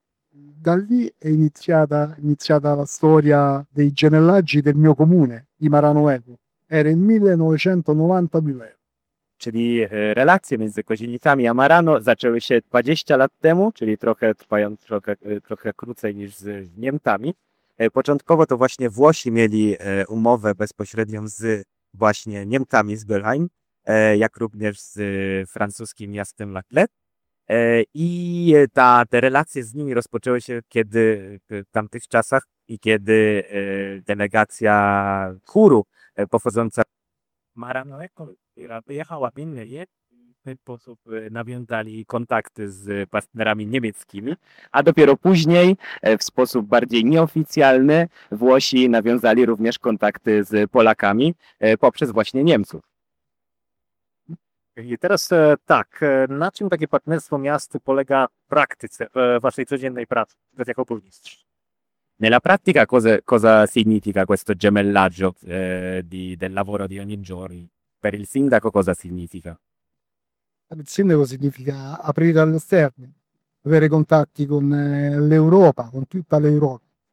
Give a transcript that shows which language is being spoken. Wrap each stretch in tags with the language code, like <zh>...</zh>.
<it>Da lì è iniziata la storia dei gemellaggi del mio comune di Marano Equo. Era il 1992.</it> <pl>Czyli relacje między Kozienicami a Marano zaczęły się 20 lat temu, czyli trochę krócej niż z Niemcami. Początkowo to właśnie Włosi mieli umowę bezpośrednią z właśnie Niemcami, z Berlin, jak również z francuskim miastem La Clet. I te relacje z nimi rozpoczęły się kiedy w tamtych czasach i kiedy delegacja chóru pochodząca Marano Equo, która wyjechała w inny jeźdź, w ten sposób nawiązali kontakty z partnerami niemieckimi, a dopiero później, w sposób bardziej nieoficjalny, Włosi nawiązali również kontakty z Polakami poprzez właśnie Niemców. I teraz tak, na czym takie partnerstwo miast polega w praktyce, w waszej codziennej pracy, tak jako burmistrz?</pl> <it>Nella pratica cosa significa questo gemellaggio del lavoro di ogni giorno? Per il sindaco cosa significa? Per il sindaco significa aprire all'esterno, avere contatti con l'Europa, con tutta l'Europa.</it>